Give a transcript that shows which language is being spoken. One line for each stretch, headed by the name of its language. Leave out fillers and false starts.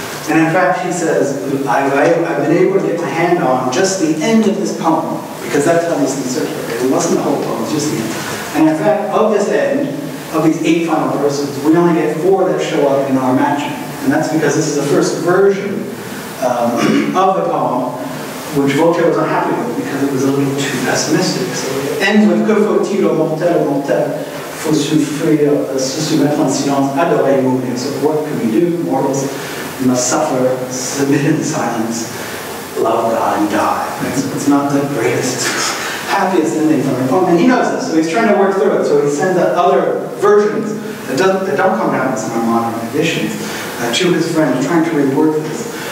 English: And in fact, he says, I've been able to get my hand on just the end of this poem, because that tells us the circular. It wasn't the whole poem, it was just the end. And in fact, of this end, of these 8 final verses, we only get 4 that show up in our matching. And that's because this is the first version of the poem, which Voltaire was unhappy with because it was a little too pessimistic. So it ends with
French: Que faut-il au mortel, au mortel, faut souffrir, se soumettre en silence, adorer mourir.
English: So what can we do? Mortals must suffer, submit in silence, love God, and die. Right? So it's not the greatest, happiest ending from the poem. And he knows this, so he's trying to work through it. So he sends out other versions that don't come down in some of our modern editions to his friend, trying to rework this.